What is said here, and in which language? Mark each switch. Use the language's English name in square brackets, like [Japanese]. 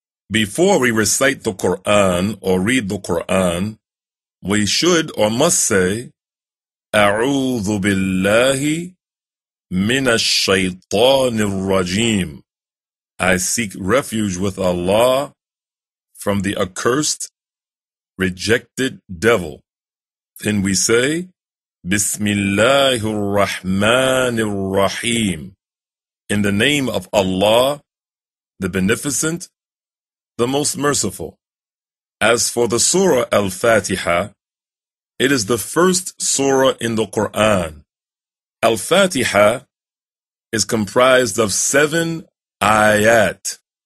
[English] Before we recite the Quran or read the Quran, we should or must say, [Arabic] أعوذ بالله من الشيطان الرجيم. [English] I seek refuge with Allah from the accursed, rejected devil. Then we say, [Arabic] بسم الله الرحمن الرحيم. [English] In the name of Allah, the Beneficent, the Most Merciful. As for the Surah Al-Fatiha, it is the first surah in the Quran. Al-Fatiha is comprised of 7 ayat.